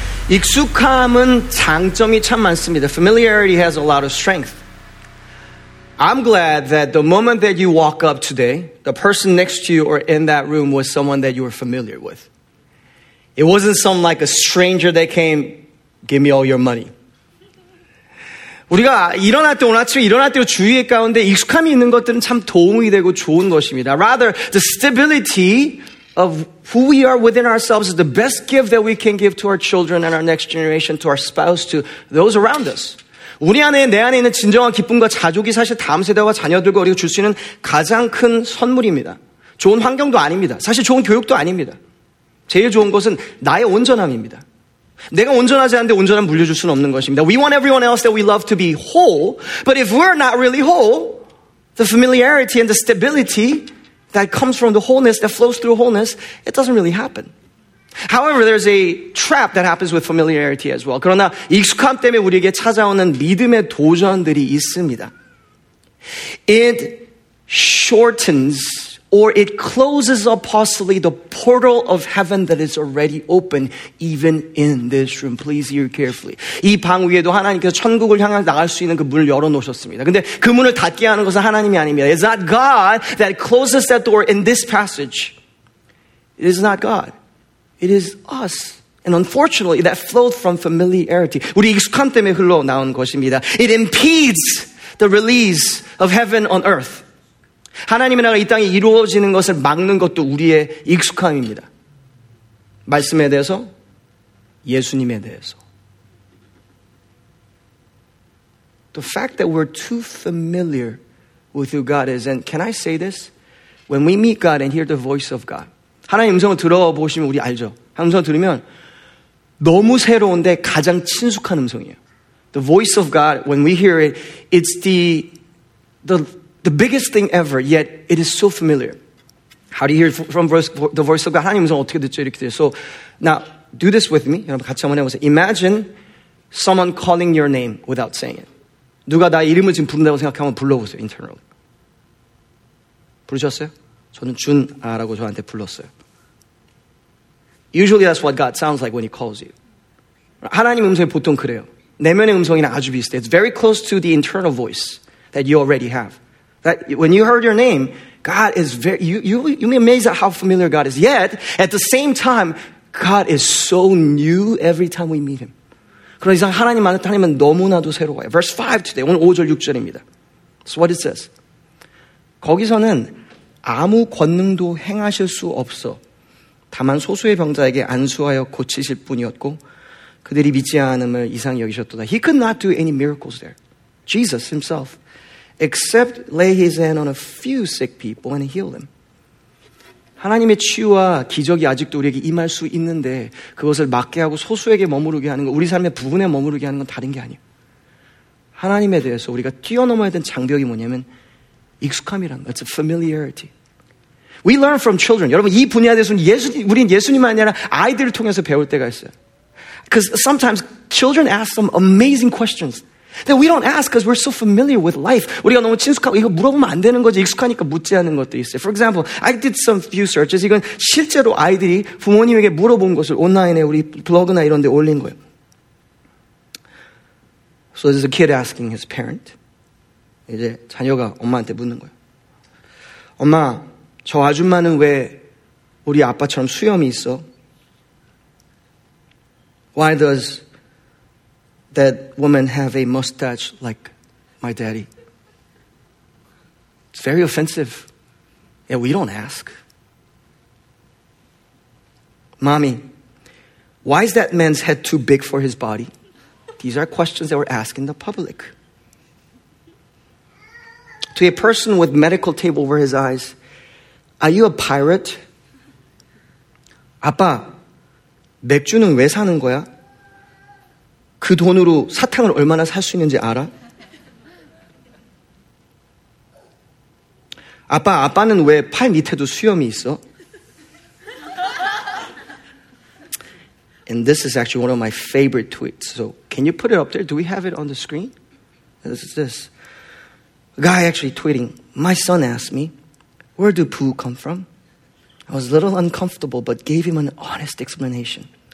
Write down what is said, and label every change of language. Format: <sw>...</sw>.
<ko>익숙함은 장점이 참 많습니다.</ko> <en>Familiarity has a lot of strength. I'm glad that the moment that you walk up today, the person next to you or in that room was someone that you were familiar with. It wasn't some like a stranger that came, give me all your money.</en> <ko>우리가 일어날 때 오늘 아침에 일어날 때 주위의 가운데 익숙함이 있는 것들은 참 도움이 되고 좋은 것입니다.</ko> <en>Rather, the stability of who we are within ourselves is the best gift that we can give to our children and our next generation, to our spouse, to those around us.</en> <ko>우리 안에 내 안에 있는 진정한 기쁨과 자족이 사실 다음 세대와 자녀들과 우리가 줄 수 있는 가장 큰 선물입니다. 좋은 환경도 아닙니다. 사실 좋은 교육도 아닙니다. 제일 좋은 것은 나의 온전함입니다. 내가 온전하지 않은데 온전함 물려줄 수는 없는 것입니다.</ko> <en>We want everyone else that we love to be whole, but if we're not really whole, the familiarity and the stability that comes from the wholeness, that flows through wholeness, it doesn't really happen. However, there's a trap that happens with familiarity as well.</en> <ko>그러나 익숙함 때문에 우리에게 찾아오는 믿음의 도전들이 있습니다.</ko> <en>It shortens or it closes up possibly the portal of heaven that is already open even in this room. Please hear carefully.</en> <ko>이 방 위에도 하나님께서 천국을 향해 나갈 수 있는 그 문을 열어놓으셨습니다. 근데 그 문을 닫게 하는 것은 하나님이 아닙니다.</ko> <en>It's not God that closes that door in this passage. It is not God. It is us. And unfortunately, that flowed from familiarity.</en> <ko>우리 익숙함 때문에 흘러나온 것입니다.</ko> <en>It impedes the release of heaven on earth.</en> <ko>하나님의 나라가 이 땅에 이루어지는 것을 막는 것도 우리의 익숙함입니다. 말씀에 대해서, 예수님에 대해서.</ko> <en>The fact that we're too familiar with who God is, and can I say this? When we meet God and hear the voice of God,</en> <ko>하나님 음성을 들어보시면 우리 알죠. 하나님 음성을 들으면 너무 새로운데 가장 친숙한 음성이에요.</ko> <en>The voice of God, when we hear it, it's the biggest thing ever, yet it is so familiar. How do you hear it from the voice of God?</en> <ko>하나님 음성 어떻게 듣죠? 이렇게 돼요.</ko> <en>So now, do this with me.</en> <ko>여러분 같이 한번 해보세요.</ko> <en>Imagine someone calling your name without saying it.</en> <ko>누가 나 이름을 지금 부른다고 생각하면 불러보세요, internally. 부르셨어요? 저는 준아라고 저한테 불렀어요.</ko> <en>Usually that's what God sounds like when he calls you.</en> <ko>하나님 음성이 보통 그래요. 내면의 음성이랑 아주 비슷해요.</ko> <en>It's very close to the internal voice that you already have. That when you heard your name, God is very, you'll be amazed at how familiar God is. Yet, at the same time, God is so new every time we meet him.</en> <ko>그런 이상 하나님 만날 때 하나님은 너무나도 새로워요.</ko> <en>Verse 5 today,</en> <ko>오늘 5절, 6절입니다.</ko> <en>So what it says?</en> <ko>거기서는 아무 권능도 행하실 수 없어 다만 소수의 병자에게 안수하여 고치실 뿐이었고 그들이 믿지 않음을 이상히 여기셨도다.</ko> <en>He could not do any miracles there. Jesus himself. Except lay his hand on a few sick people and heal them.</en> <ko>하나님의 치유와 기적이 아직도 우리에게 임할 수 있는데 그것을 막게 하고 소수에게 머무르게 하는 건 우리 삶의 부분에 머무르게 하는 건 다른 게 아니에요. 하나님에 대해서 우리가 뛰어넘어야 된 장벽이 뭐냐면 익숙함이란 거.</ko> <en>It's a familiarity. We learn from children.</en> <ko>여러분 이 분야에 대해서는 우린 예수님 아니라 아이들을 통해서 배울 때가 있어요.</ko> <en>Because sometimes children ask some amazing questions that we don't ask because we're so familiar with life.</en> <ko>우리가 너무 친숙하고 이거 물어보면 안 되는 거지. 익숙하니까 묻지 않는 것도 있어요.</ko> <en>For example, I did some few searches.</en> <ko>이건 실제로 아이들이 부모님에게 물어본 것을 온라인에 우리 블로그나 이런 데 올린 거예요.</ko> <en>So this is a kid asking his parent.</en> <ko>이제 자녀가 엄마한테 묻는 거예요. 엄마, 저 아줌마는 왜 우리 아빠처럼 수염이 있어?</ko> <en>Why does that woman have a mustache like my daddy? It's very offensive. Yeah, we don't ask. Mommy, why is that man's head too big for his body? These are questions that we're asking the public. To a person with medical tape over his eyes, are you a pirate?</en> <ko>아빠, 맥주는 왜 사는 거야? 그 돈으로 사탕을 얼마나 살 수 있는지 알아? 아빠, 아빠는 왜 팔 밑에도 수염이 있어?</ko> <en>And this is actually one of my favorite tweets. So can you put it up there? Do we have it on the screen? This is this. A guy actually tweeting, my son asked me, where do poo come from? I was a little uncomfortable, but gave him an honest explanation.</en>